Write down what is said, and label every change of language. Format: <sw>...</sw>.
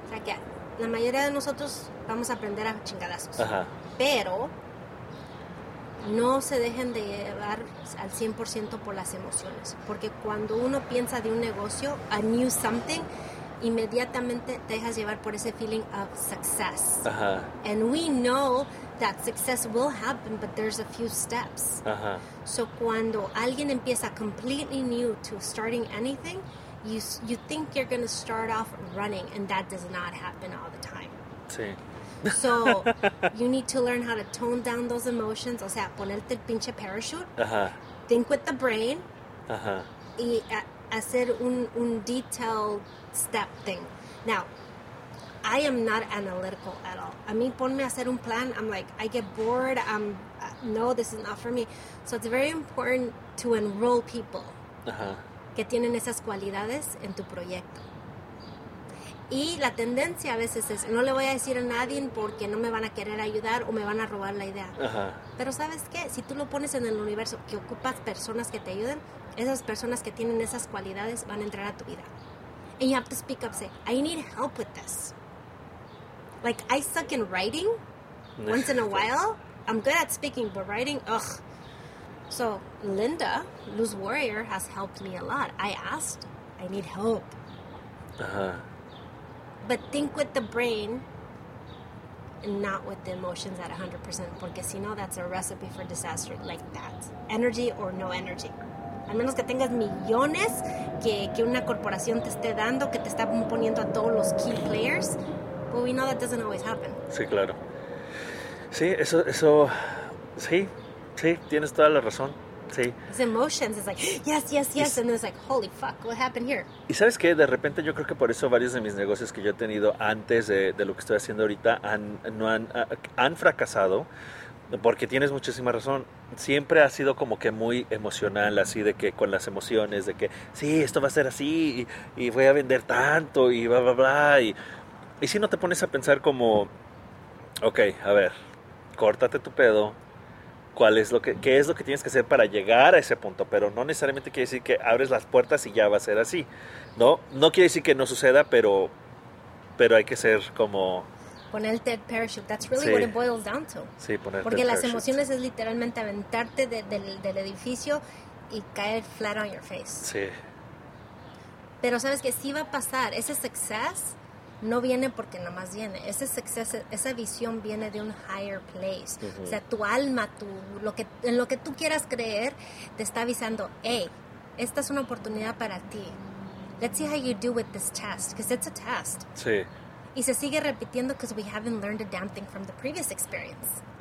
<es>O sea que la mayoría de nosotros vamos a aprender a chingadazos. Ajá. Pero no se dejen de llevar al 100% por las emociones. Porque cuando uno piensa de un negocio,</es> <en>a new something,</en> <es>inmediatamente te dejas llevar por ese</es> <en>feeling of success. Ajá. And we know that success will happen, but there's a few steps. Ajá. So</en> <es>cuando alguien empieza</es> <en>completely new to starting anything, you think you're going to start off running, and that does not happen all the time.</en> <es>Sí.</es> <en>So you need to learn how to tone down those emotions.</en> <es>O sea, ponerte el pinche parachute. Uh-huh.</es> <en>Think with the brain. Uh-huh.</en> <es>Y hacer un</es> <en>detailed step thing. Now, I am not analytical at all.</en> <es>A mí ponme a hacer un plan,</es> <en>I'm like, I get bored. No, this is not for me. So it's very important to enroll people. Uh-huh.</en> <es>Que tienen esas cualidades en tu proyecto. Y la tendencia a veces es, no le voy a decir a nadie porque no me van a querer ayudar o me van a robar la idea. Uh-huh. Pero ¿sabes qué? Si tú lo pones en el universo, que ocupas personas que te ayuden, esas personas que tienen esas cualidades van a entrar a tu vida.</es> <en>And you have to speak up, say, I need help with this. Like, I suck in writing once in a while. I'm good at speaking, but writing, ugh. So, Linda, Luz Warrior, has helped me a lot. I asked, I need help. Uh-huh. But think with the brain and not with the emotions at 100%,</en> <es>porque si no,</es> <en>that's a recipe for disaster like that. Energy or no energy.</en> <es>Al menos que tengas millones que una corporación te esté dando, que te está poniendo a todos los key players,</es> <en>but we know that doesn't always happen.</en> <es>Sí, claro. Sí, eso, sí, sí, tienes toda la razón. Sí.</es> <en>It's emotions, it's like, yes, yes, yes, and then it's like, holy fuck, what happened here?</en> <es>¿Y sabes qué? De repente yo creo que por eso varios de mis negocios que yo he tenido antes de lo que estoy haciendo ahorita han fracasado, porque tienes muchísima razón. Siempre ha sido como que muy emocional, así de que con las emociones, de que sí, esto va a ser así, y voy a vender tanto, y bla, bla, bla. Y si no te pones a pensar como, ok, a ver, córtate tu pedo. ¿Qué es lo que tienes que hacer para llegar a ese punto? Pero no necesariamente quiere decir que abres las puertas y ya va a ser así, ¿no? No quiere decir que no suceda, pero hay que ser como... Poner el</es> <en>dead parachute. That's really what it boils down to.</en> <es>Sí, poner el porque las parachute. Emociones es literalmente aventarte del edificio y caer</es> <en>flat on your face.</en> <es>Sí. Pero sabes que sí va a pasar. Ese success no viene porque nada más viene. Ese success, esa visión viene de un</es> <en>higher place.</en> <es>Uh-huh. O sea, tu alma, en lo que tú quieras creer, te está avisando, hey, esta es una oportunidad para ti.</es> <en>Let's see how you do with this test, because it's a test.</en> <es>Sí. Y se sigue repitiendo</es> <en>because we haven't learned a damn thing from the previous experience.</en>